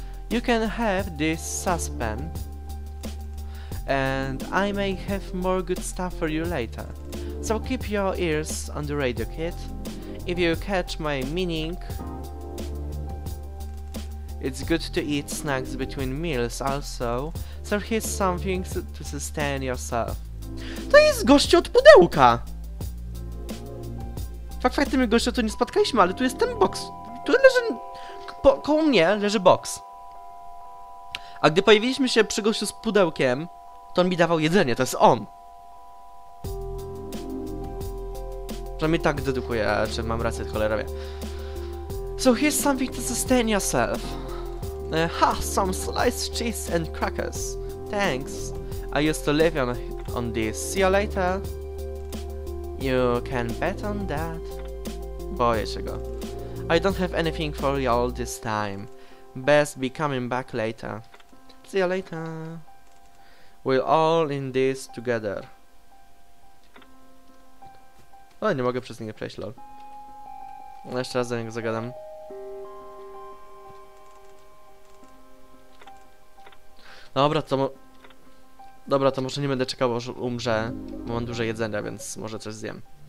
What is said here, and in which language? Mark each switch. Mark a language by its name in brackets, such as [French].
[English] You can have this saucepan. And I may have more good stuff for you later. So keep your ears on the radio, kid. If you catch my meaning... It's good to eat snacks between meals also. So here's something to sustain yourself. [Polish] To jest gościu od pudełka! Fakt, faktem, gościa tu nie spotkaliśmy, ale tu jest ten box. Tu leży... koło mnie leży box. A gdy pojawiliśmy się przy gościu z pudełkiem, to on mi dawał jedzenie, to jest on. Przynajmniej tak dedukuję, czy mam rację, cholera wie. [English] So here's something to sustain yourself. Ha, some sliced cheese and crackers. Thanks. I used to live on this. See you later. You can bet on that. [Polish] Boję się go. [English] I don't have anything for y'all this time. Best be coming back later. See you later. We're all in this together. [Polish] O, nie mogę przez niego przejść, lol. Jeszcze raz do niego zagadam. Dobra, to dobra, to może nie będę czekał, aż umrze, bo mam duże jedzenie, więc może coś zjem.